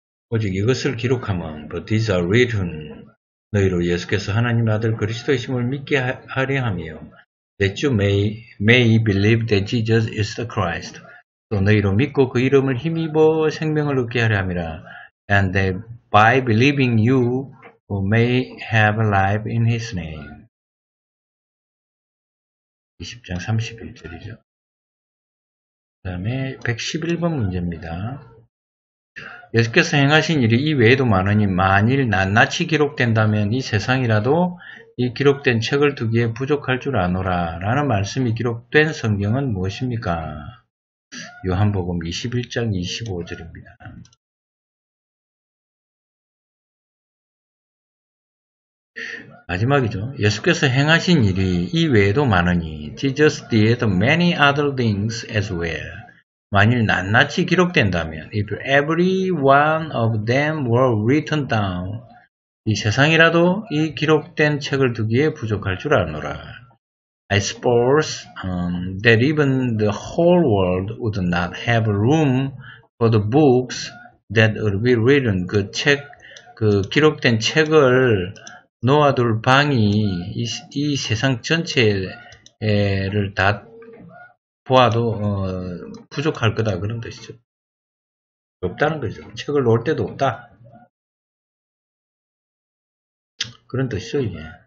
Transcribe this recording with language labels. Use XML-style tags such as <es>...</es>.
<ko>오직 이것을 기록하면,</ko> <en>but these are written,</en> <ko>너희로 예수께서 하나님의 아들 그리스도이심을 믿게 하려 하며</ko> <en>that you may believe that Jesus is the Christ.</en> <ko>또 너희로 믿고 그 이름을 힘입어 생명을 얻게 하려 함이라.</ko> <en>And that by believing you may have life in his name.</en> <ko>20장 31절이죠. 그 다음에 111번 문제입니다. 예수께서 행하신 일이 이 외에도 많으니 만일 낱낱이 기록된다면 이 세상이라도 이 기록된 책을 두기에 부족할 줄 아노라 라는 말씀이 기록된 성경은 무엇입니까? 요한복음 21장 25절입니다. 마지막이죠. 예수께서 행하신 일이 이 외에도 많으니</ko> <en>Jesus did many other things as well.</en> <ko>만일 낱낱이 기록된다면</ko> <en>if every one of them were written down</en> <ko>이 세상이라도 이 기록된 책을 두기에 부족할 줄 아노라.</ko> <en>I suppose that even the whole world would not have room for the books that would be written.</en> <ko>그 책, 그 기록된 책을 놓아둘 방이 이 세상 전체를 다 보아도 부족할 거다. 그런 뜻이죠. 없다는 거죠. 책을 놓을 데도 없다. 그런 뜻이죠, 이게.</ko>